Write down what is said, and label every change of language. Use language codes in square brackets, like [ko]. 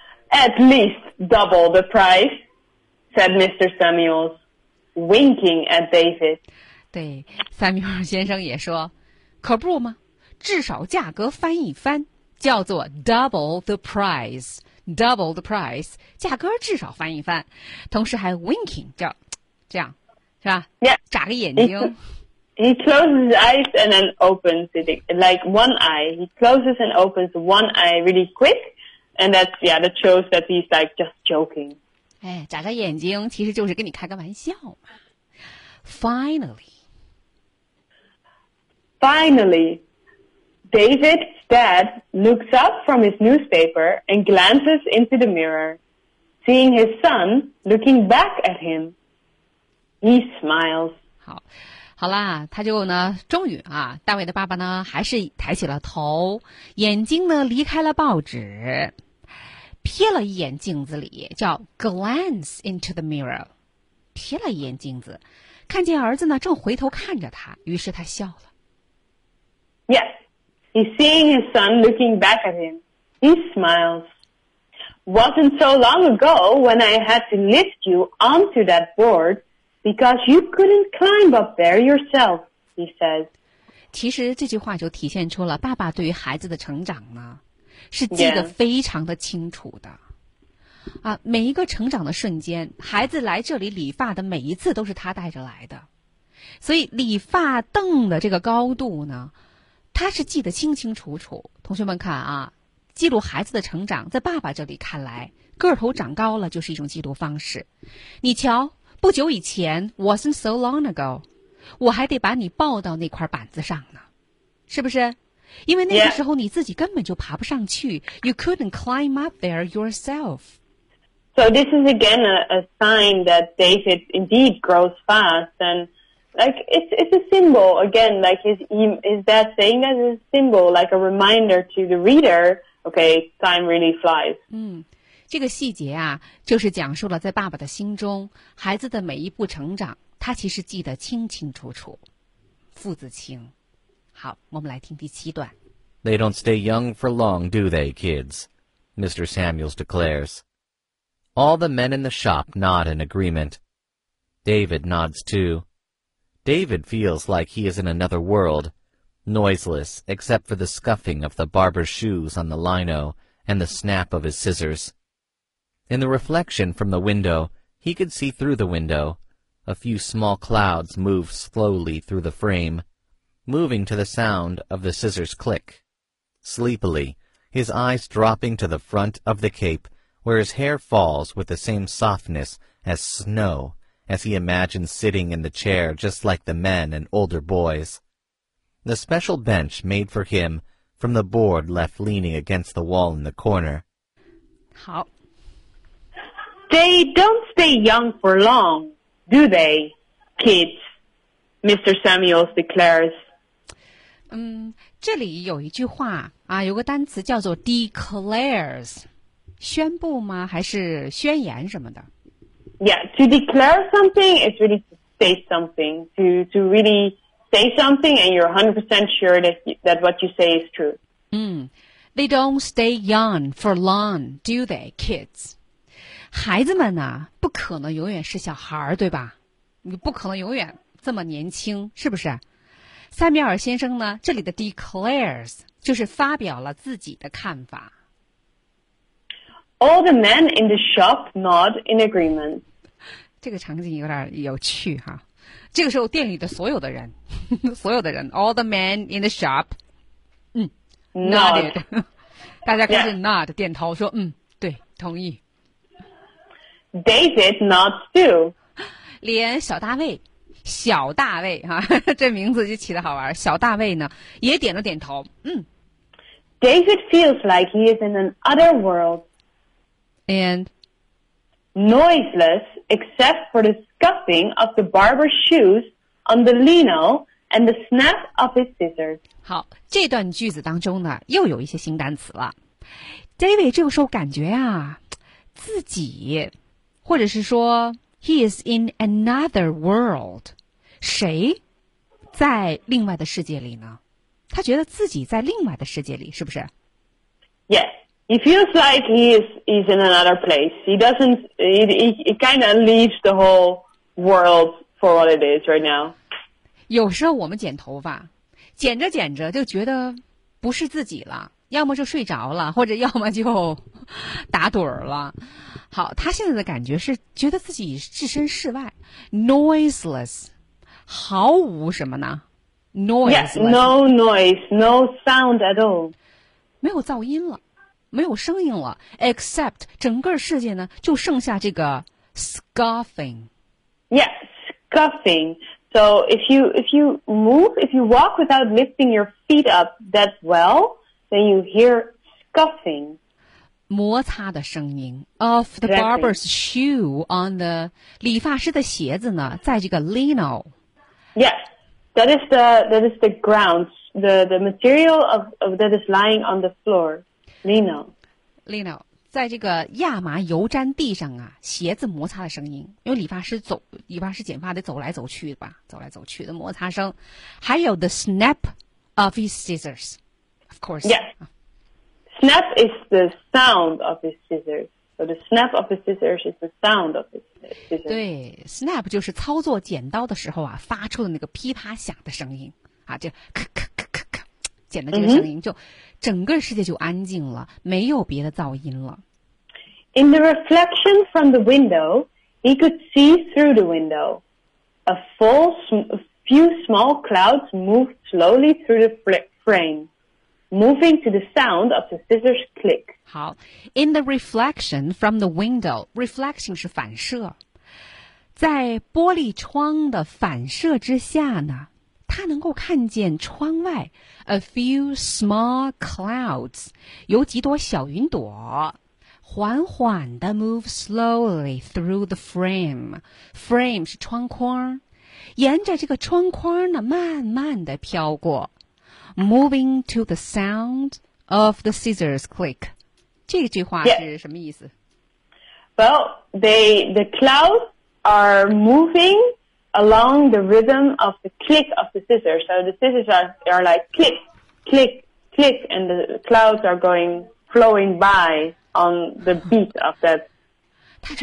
[en] At least double the price, said Mr. Samuels, winking at David. [zh] 对，塞缪尔先生也说，可不吗？至少价格翻一番，叫做 [en] double the price, double the price, [zh] 价格至少翻一番，同时还 winking, 叫这样，是吧？ [en] Yeah. [zh] 眨个眼睛。 [en] He closes his eyes and then opens it, like one eye. He closes and opens one eye really quick. And that's, yeah, that shows that he's, like, just joking. [zh] 哎，眨眨眼睛其实就是跟你开个玩笑嘛。 [en] Finally. Finally, David's dad looks up from his newspaper and glances into the mirror, seeing his son looking back at him. He smiles. [zh] 好。好啦，他就呢，终于啊，大卫的爸爸呢，还是抬起了头，眼睛呢，离开了报纸。瞥了一眼镜子里，叫 [en] glance into the mirror, [zh] 瞥了一眼镜子，看见儿子呢正回头看着他，于是他笑了。 [en] Yes, he's seeing his son looking back at him. He smiles. Wasn't so long ago when I had to lift you onto that board because you couldn't climb up there yourself, he says. [zh] 其实这句话就体现出了爸爸对于孩子的成长呢。是记得非常的清楚的、 [en] yeah. [zh] 啊，每一个成长的瞬间，孩子来这里理发的每一次都是他带着来的，所以理发凳的这个高度呢，他是记得清清楚楚。同学们看啊，记录孩子的成长，在爸爸这里看来，个头长高了就是一种记录方式。你瞧，不久以前 [en] wasn't so long ago， [zh] 我还得把你抱到那块板子上呢，是不是？因为那个时候你自己根本就爬不上去、 [en] yeah. ，you couldn't climb up there yourself。 So this is again a sign that David indeed grows fast, and like it's a symbol again. Like his dad saying that is a symbol, like a reminder to the reader. Okay, time really flies. [zh] 嗯，这个细节啊，就是讲述了在爸爸的心中，孩子的每一步成长，他其实记得清清楚楚。父子情。好，我们来听第七段。 [en] They don't stay young for long, do they, kids? Mr. Samuels declares. All the men in the shop nod in agreement. David nods too. David feels like he is in another world, noiseless except for the scuffing of the barber's shoes on the lino and the snap of his scissors. In the reflection from the window, he could see through the window. A few small clouds move slowly through the frame. Moving to the sound of the scissors click. Sleepily, his eyes dropping to the front of the cape, where his hair falls with the same softness as snow, as he imagines sitting in the chair just like the men and older boys. The special bench made for him from the board left leaning against the wall in the corner. How? They don't stay young for long, do they, kids? Mr. Samuels declares. [zh] 这里有一句话啊，有个单词叫做 declares， 宣布吗？还是宣言什么的 [en] ？Yeah, to declare something is really to say something. To really say something, and you're 100% sure that what you say is true. They don't stay young for long, do they, kids? [zh] 孩子们呢，不可能永远是小孩儿，对吧？你不可能永远这么年轻，是不是？塞缪尔先生呢，这里的 declares 就是发表了自己的看法。 [en] All the men in the shop nod in agreement. [zh] 这个场景有点有趣哈。这个时候店里的所有的人 [en] all the men in the shop, nodded. [zh] 大家开始 nod,、yeah. 点头说嗯对同意。 [en] David nods too. [zh] 连小大卫哈、啊，这名字就起得好玩。小大卫呢，也点了点头。 [en] David feels like he is in an other world, and noiseless except for the scuffing of the barber's shoes on the lino and the snap of his scissors. [zh] 好，这段句子当中呢，又有一些新单词了。 David 这个时候感觉啊，自己，或者是说 [en] he is in another world. [zh] 谁在另外的世界里呢？他觉得自己在另外的世界里，是不是 [en] ？Yes, he feels like he's in another place. He doesn't. It kind of leaves the whole world for what it is right now. [zh] 有时候我们剪头发，剪着剪着就觉得不是自己了，要么就睡着了，或者要么就打盹儿了。好，他现在的感觉是觉得自己置身事外 ，noiseless。毫无什么呢 ？Noise. [en] Yes, no noise, no sound at all. [zh] 没有噪音了，没有声音了。Except 整个世界呢，就剩下这个 scuffing. [en] Yes, scuffing. So if you walk without lifting your feet up that well, then you hear scuffing. [zh] 摩擦的声音 [en] of the barber's shoe on the [zh] 理发师的鞋子呢，在这个 lino. [en] Yes, that is the ground, the material of that is lying on the floor, lino. [zh] Lino, 在这个亚麻油毡地上啊，鞋子摩擦的声音，因为理发师剪发得走来走去吧，走来走去的摩擦声，还有 [en] the snap of his scissors, of course. Yes, snap is the sound of his scissors. So the snap of the scissors is the sound of his scissors. [zh] 对 ，snap 就是操作剪刀的时候啊，发出的那个噼啪响的声音啊，就咔咔咔咔咔，剪的这个声音， mm-hmm. 就整个世界就安静了，没有别的噪音了。 [en] In the reflection from the window, he could see through the window, a full, few small clouds move slowly through the frame, moving to the sound of the scissors click. 好 ,in the reflection from the window, reflection [zh] 是反射。在玻璃窗的反射之下呢，他能够看见窗外 [en] a few small clouds, [zh] 有几朵小云朵缓缓地 [en] move slowly through the frame, [zh] frame 是窗框，沿着这个窗框呢慢慢地飘过 [en] moving to the sound of the scissors click. [zh] 这句话是什么意思？ [en] Well, the cloudsare moving along the rhythm of the click of the scissors. So the scissors are like click, click, click, and the clouds are going, flowing by on the beat of that scissors.